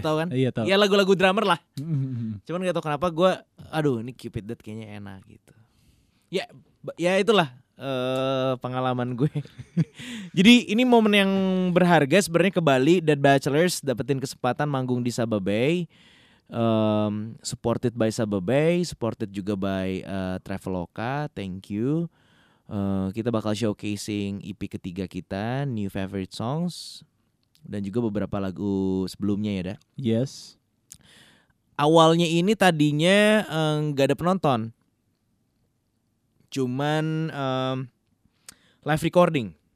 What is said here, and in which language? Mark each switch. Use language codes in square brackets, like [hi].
[id] Lo tau kan? Iya, tau. Iya, lagu-lagu drummer lah. Cuman gak tau kenapa gue, aduh ini Cupid Dead kayaknya enak gitu. Ya itulah pengalaman gue. Jadi ini momen yang berharga sebenarnya ke Bali. Dead Bachelors dapetin kesempatan manggung di Sababay. [en] Supported by Sababay, supported juga by Traveloka, thank you. [id] Kita bakal showcasing EP ketiga kita, New Favorite Songs, dan juga beberapa lagu sebelumnya ya, Dah. [en] Yes. [id] Awalnya ini tadinya gak ada penonton, cuman live recording.